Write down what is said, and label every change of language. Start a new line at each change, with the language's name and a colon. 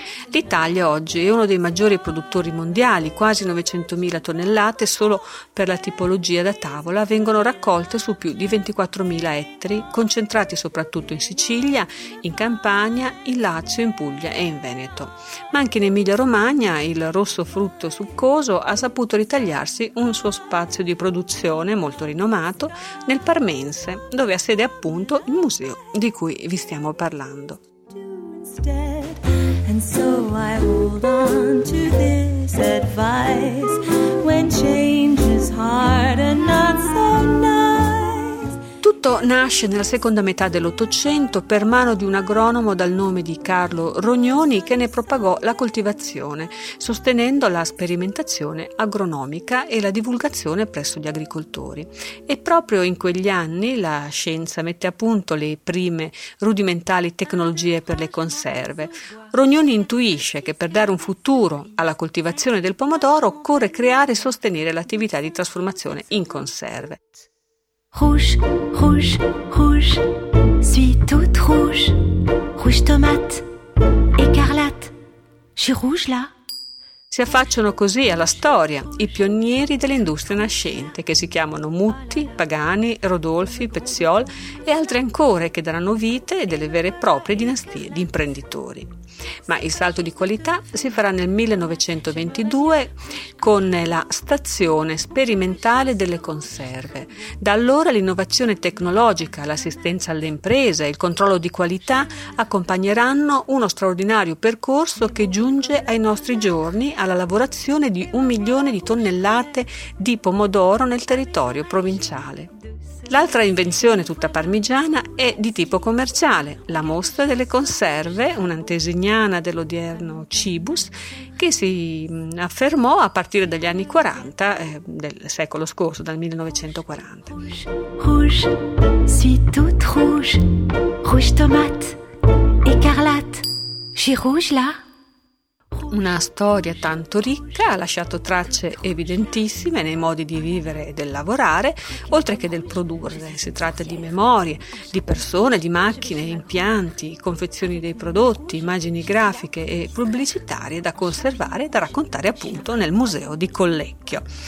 Italian: L'Italia oggi è uno dei maggiori produttori mondiali, quasi 900.000 tonnellate solo per la tipologia da tavola vengono raccolte su più di 24.000 ettari, concentrati soprattutto in Sicilia, in Campania, in Lazio, in Puglia e in Veneto. Ma anche in Emilia Romagna il rosso frutto succoso ha saputo ritagliarsi un suo spazio di produzione molto rinomato nel Parmense, dove ha sede appunto il museo di cui vi stiamo parlando.
English: And so I hold on to this advice when change is hard and not so nice.
Italian: Tutto nasce nella seconda metà dell'Ottocento per mano di un agronomo dal nome di Carlo Rognoni che ne propagò la coltivazione, sostenendo la sperimentazione agronomica e la divulgazione presso gli agricoltori. E proprio in quegli anni la scienza mette a punto le prime rudimentali tecnologie per le conserve. Rognoni intuisce che per dare un futuro alla coltivazione del pomodoro occorre creare e sostenere l'attività di trasformazione in conserve.
French: Rouge, rouge, rouge, suis toute rouge, rouge tomate, écarlate, j'ai rouge là.
Italian: Si affacciano così alla storia i pionieri dell'industria nascente che si chiamano Mutti, Pagani, Rodolfi, Peziol e altri ancora che daranno vite a delle vere e proprie dinastie di imprenditori. Ma il salto di qualità si farà nel 1922 con la stazione sperimentale delle conserve. Da allora l'innovazione tecnologica, l'assistenza alle imprese e il controllo di qualità accompagneranno uno straordinario percorso che giunge ai nostri giorni alla lavorazione di 1 milione di tonnellate di pomodoro nel territorio provinciale. L'altra invenzione tutta parmigiana è di tipo commerciale, la mostra delle conserve, un'antesignana dell'odierno Cibus, che si affermò a partire dagli anni 40 del secolo scorso, dal 1940.
French: Rouge, suis toute rouge, rouge tomate, écarlate, j'ai rouge là.
Italian: una storia tanto ricca, ha lasciato tracce evidentissime nei modi di vivere e del lavorare, oltre che del produrre. Si tratta di memorie, di persone, di macchine, impianti, confezioni dei prodotti, immagini grafiche e pubblicitarie da conservare e da raccontare appunto nel museo di Collecchio.